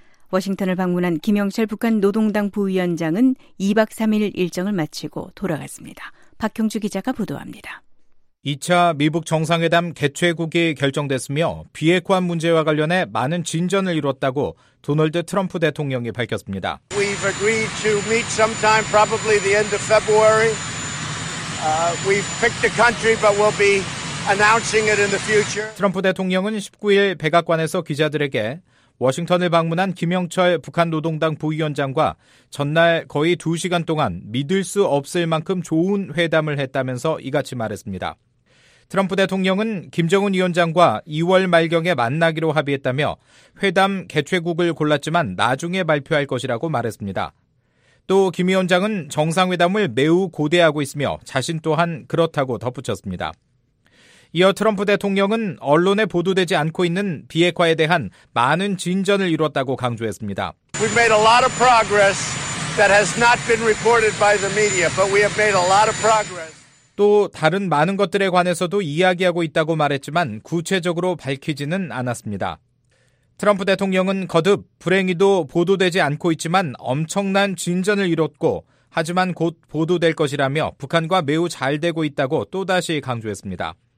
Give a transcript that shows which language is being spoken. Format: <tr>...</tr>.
<ko>워싱턴을 방문한 김영철 북한 노동당 부위원장은 2박 3일 일정을 마치고 돌아갔습니다. 박형주 기자가 보도합니다. 2차 미북 정상회담 개최국이 결정됐으며 비핵화 문제와 관련해 많은 진전을 이뤘다고 도널드 트럼프 대통령이 밝혔습니다.</ko> <en>We've agreed to meet sometime probably the end of February. We've picked a country, but we'll be announcing it in the future.</en> <ko>트럼프 대통령은 19일 백악관에서 기자들에게 워싱턴을 방문한 김영철 북한 노동당 부위원장과 전날 거의 2시간 동안 믿을 수 없을 만큼 좋은 회담을 했다면서 이같이 말했습니다. 트럼프 대통령은 김정은 위원장과 2월 말경에 만나기로 합의했다며 회담 개최국을 골랐지만 나중에 발표할 것이라고 말했습니다. 또 김 위원장은 정상회담을 매우 고대하고 있으며 자신 또한 그렇다고 덧붙였습니다. 이어 트럼프 대통령은 언론에 보도되지 않고 있는 비핵화에 대한 많은 진전을 이뤘다고 강조했습니다.</ko> <en>We've made a lot of progress that has not been reported by the media, but we have made a lot of progress.</en> <ko>또 다른 많은 것들에 관해서도 이야기하고 있다고 말했지만 구체적으로 밝히지는 않았습니다. 트럼프 대통령은 거듭 불행히도 보도되지 않고 있지만 엄청난 진전을 이뤘고 하지만 곧 보도될 것이라며 북한과 매우 잘 되고 있다고 또다시 강조했습니다.</ko>